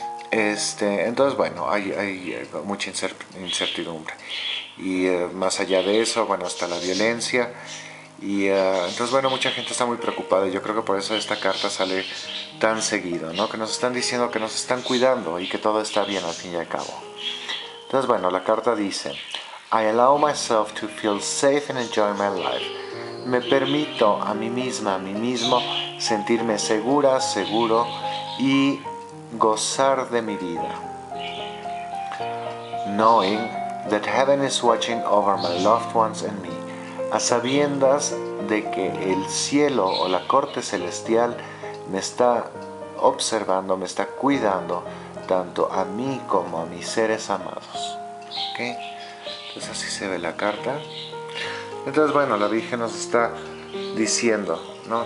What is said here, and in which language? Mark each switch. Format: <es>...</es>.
<es>Entonces, bueno, hay mucha incertidumbre. Y más allá de eso, bueno, está la violencia. Y entonces, bueno, mucha gente está muy preocupada y yo creo que por eso esta carta sale tan seguido, ¿no? Que nos están diciendo que nos están cuidando y que todo está bien al fin y al cabo. Entonces, bueno, la carta dice,</es> <en>I allow myself to feel safe and enjoy my life.</en> <es>Me permito a mí misma, a mí mismo, sentirme segura, seguro y gozar de mi vida.</es> <en>Knowing that heaven is watching over my loved ones and me.</en> <es>A sabiendas de que el cielo o la corte celestial me está observando, me está cuidando tanto a mí como a mis seres amados. ¿Ok? Entonces así se ve la carta. Entonces, bueno, la Virgen nos está diciendo, ¿no?</es>